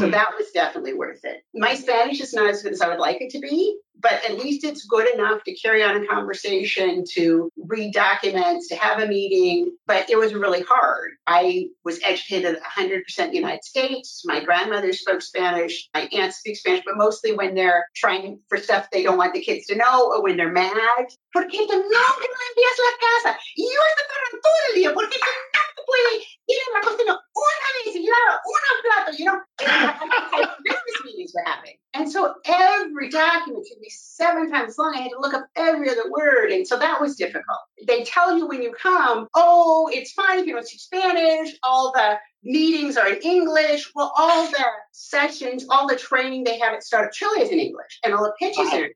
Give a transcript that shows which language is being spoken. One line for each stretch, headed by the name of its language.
English: So that was definitely worth it. My Spanish is not as good as I would like it to be, but at least it's good enough to carry on a conversation, to read documents, to have a meeting. But it was really hard. I was educated 100% in the United States. My grandmother spoke Spanish. My aunt speaks Spanish, but mostly when they're trying for stuff they don't want the kids to know, or when they're mad.
Spanish: ¿Por qué tú no me envías la casa? Yo estoy para todo el día. ¿Por qué tú no te puedes ir a la cocina una vez y lavar un plato?
English: You know, business meetings were happening. And so every document could be seven times long. I had to look up every other word. And so that was difficult. They tell you when you come, oh, it's fine if you don't speak Spanish. All the meetings are in English. Well, all the sessions, all the training they have at Startup Chile is in English. And all the pitches are.